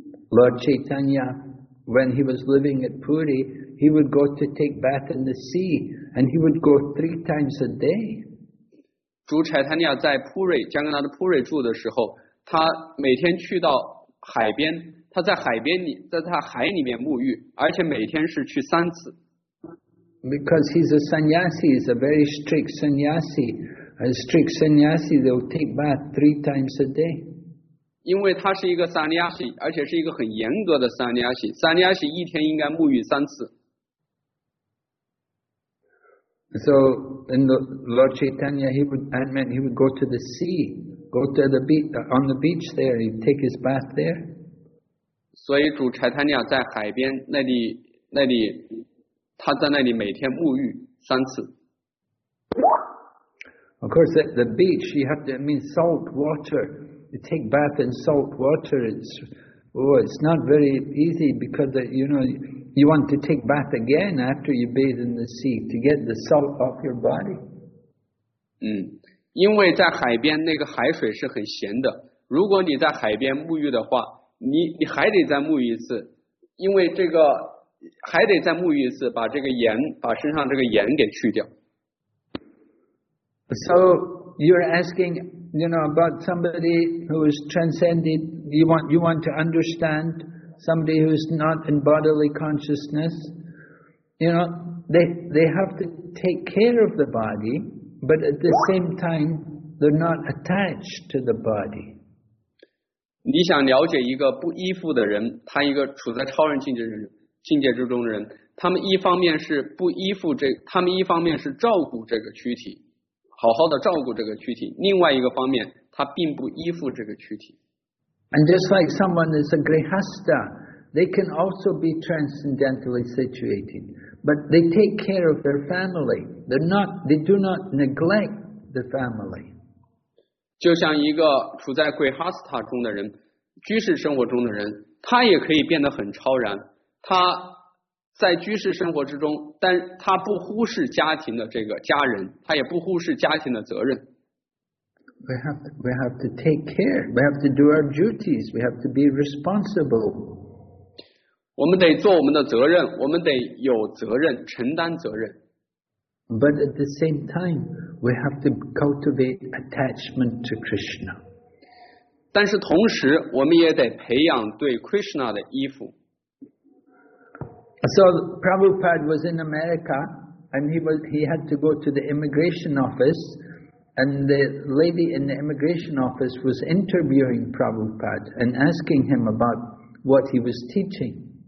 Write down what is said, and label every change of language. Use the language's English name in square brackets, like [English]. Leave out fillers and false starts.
[English] Lord Chaitanya, when he was living at Puri, he would go to take bath in the sea, and he would go three times a day. [Chinese] 主柴塔尼亚在普瑞江格纳的普瑞住的时候，他每天去到海边，他在海边里，在他海里面沐浴，而且每天是去三次。 [English] Because he's a sannyasi, he's a very strict sannyasi. A strict sannyasi, they'll take bath 3 times a day. [Chinese] 因为他是一个 sannyasi, 而且是一个很严格的 sannyasi. Sannyasi 一天应该沐浴三次。 [English] So, in the Lord Chaitanya, he would admit, he would go to the sea, go to the beach, on the beach there, he'd take his bath there. [Chinese] 所以主柴塔尼亚在海边那里那里他在那里每天沐浴三次。 [English] Of course, at the beach, you have to, I mean, salt water. You take bath in salt water. It's not very easy because, you know, you want to take bath again after you bathe in the sea to get the salt off your body. [Chinese] 嗯，因为在海边那个海水是很咸的。如果你在海边沐浴的话，你还得再沐浴一次，因为这个。还得再沐浴一次，把这个盐，把身上这个盐给去掉。 [English] So you're asking, you know, about somebody who is transcended. You want to understand somebody who is not in bodily consciousness. You know, they have to take care of the body, but at the same time, they're not attached to the body. [Chinese] 你想了解一个不依附的人，他一个处在超人境界的人。境界之中的人，他们一方面是不依附这，他们一方面是照顾这个躯体，好好的照顾这个躯体。另外一个方面，他并不依附这个躯体。 [English] And just like someone is a grihastha, they can also be transcendentally situated, but they take care of their family. They do not neglect the family. [Chinese] 就像一个处在 grihastha 中的人，居士生活中的人，他也可以变得很超然。他在居士生活之中，但他不忽视家庭的这个家人，他也不忽视家庭的责任。 [English] We have to take care. We have to do our duties. We have to be responsible. [Chinese] 我们得做我们的责任，我们得有责任，承担责任。 [English] But at the same time, we have to cultivate attachment to Krishna. [Chinese] 但是同时，我们也得培养对 Krishna 的依附。 [English] So Prabhupada was in America, and he had to go to the immigration office, and the lady in the immigration office was interviewing Prabhupada and asking him about what he was teaching.